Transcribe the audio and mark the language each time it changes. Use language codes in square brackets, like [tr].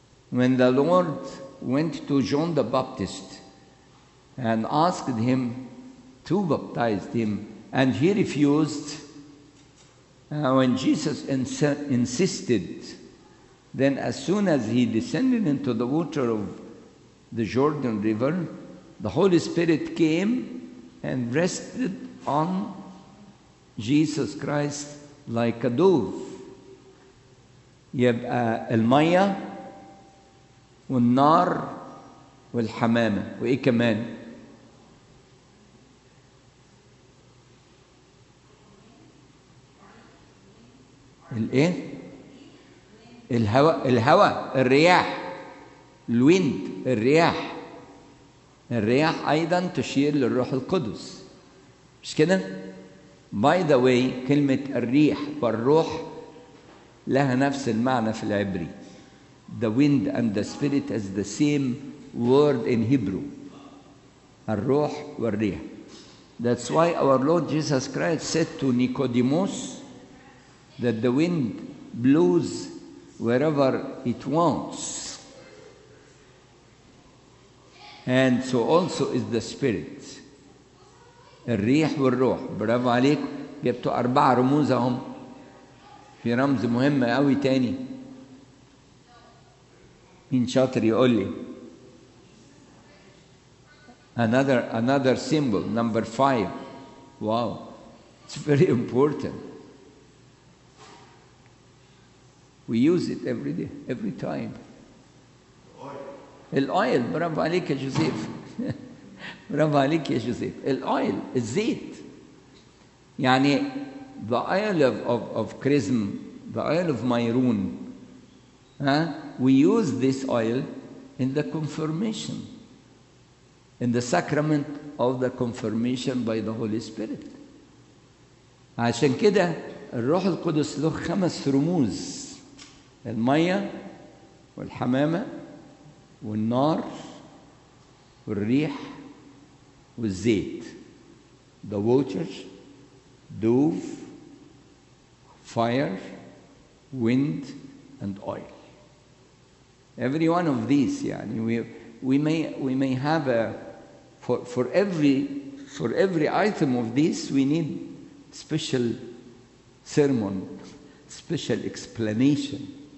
[en] When the Lord went to John the Baptist and asked him to baptize him, and he refused, when Jesus insisted, then as soon as he descended into the water of the Jordan River, the Holy Spirit came and rested on Jesus Christ like a dove. [ar] يبقى المية والنار والحمامة وإيه كمان؟ الإيه؟ الهواء, الهواء, الرياح, الويند, الرياح. الرياح أيضا تشير للروح القدس, مش كده؟ [en] By the way, [ar] كلمة الريح والروح لها نفس المعنى في العبري. [en] The wind and the spirit is the same word in Hebrew. [ar] الروح والريح. [en] That's why our Lord Jesus Christ said to Nicodemus that the wind blows wherever it wants. And so also is the spirit. [ar] الريح والروح. برافو عليك. جبتوا أربعة رموزهم في رمز مهم قوي تاني. مين شاطر يقول لي؟ [en] Another symbol, number five. Wow, it's very important. We use it every day, every time. Oil. [ar] الأويل, برافو عليك يا جوزيف. برافو عليك يا جوزيف. الأويل, الزيت. [en] يعني the oil of chrism, the oil of myron. We use this oil in the confirmation, in the sacrament of the confirmation by the Holy Spirit. [ar] عشان كده الروح القدس له خمس رموز, المية والحمامة والنار والريح والزيت. [en] The water, dove, fire, wind, and oil. Every one of these, يعني we may have a for every item of this, we need special sermon, special explanation.